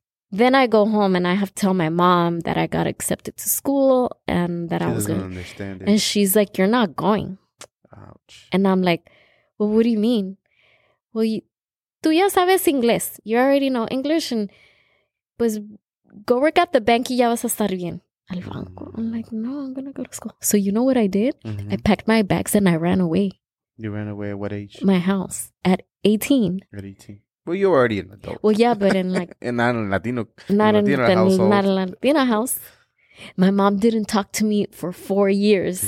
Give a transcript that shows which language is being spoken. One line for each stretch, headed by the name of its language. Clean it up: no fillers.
English: then I go home and I have to tell my mom that I got accepted to school and that she I was going to understand it. And she's like, you're not going. Ouch. And I'm like, well, what do you mean? Well,
Spanish: tú ya sabes inglés.
English: You already know English. And pues, go work at the bank
Spanish: y ya vas a estar bien. Al banco.
English: I'm like, no, I'm going to go to school. So you know what I did? Mm-hmm. I packed my bags and I ran away. You ran away at what age? My house. At 18. At 18. Well, you're already an adult. Well, yeah, but in like... and not in a Latino, not in a Latino house. My mom didn't talk to me for 4 years.